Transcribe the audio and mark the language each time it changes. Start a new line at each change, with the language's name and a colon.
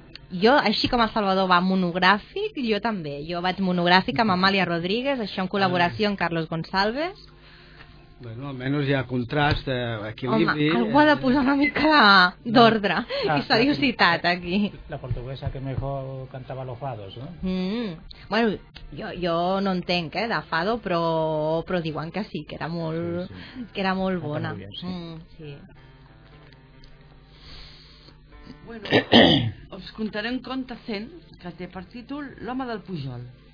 Catalan: Jo, així com el Salvador va monogràfic, jo també. Jo vaig monogràfic amb Amàlia Rodríguez, això en col·laboració amb Carlos González. Bueno, almenys hi ha contrast, equilibri... Home, algú ha de posar una mica d'ordre i seriositat aquí.
Spanish: La portuguesa que mejor cantava los fados, no? Mm.
Catalan: Bueno, jo no entenc, de fado, però diuen que sí, que era molt, sí. Que era molt bona. Sí. Bueno, us contaré un conte cent que té per títol L'home del Pujol.